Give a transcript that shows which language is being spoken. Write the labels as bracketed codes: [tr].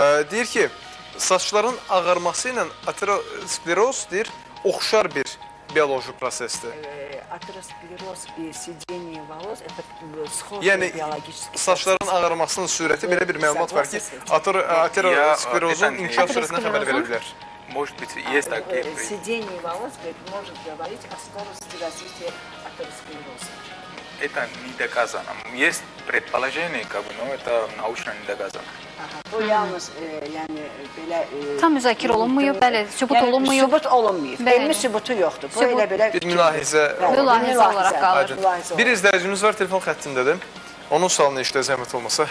[az] Deyir ki, saçların ağarması ilə ateroskleroz deyir, oxşar bir bioloji prosesdir. [ru] Ateroskleroz, sidenie valoz, [az] yəni, saçların ağarmasının sürəti belə bir məlumat var ki, ateroskleroz inkişaf sürətinə xəbər verə bilər. [ru] Может быть, есть так. Сидение волос может говорить о скорости развития атеросклероза. Это не доказано. Есть предположение, как бы, но это научно не доказано. [az] Bu yalnız, yəni, belə... Tam müzakir olunmuyor, bəli, sübut olunmuyor. Sübut olunmuyor, elmi sübutu yoxdur. Bu elə belə... Bir mülahizə olaraq qalır. Bir izləyicimiz var, telefon xəttindədir. Onun sualını işləyə zəhmət olmasa.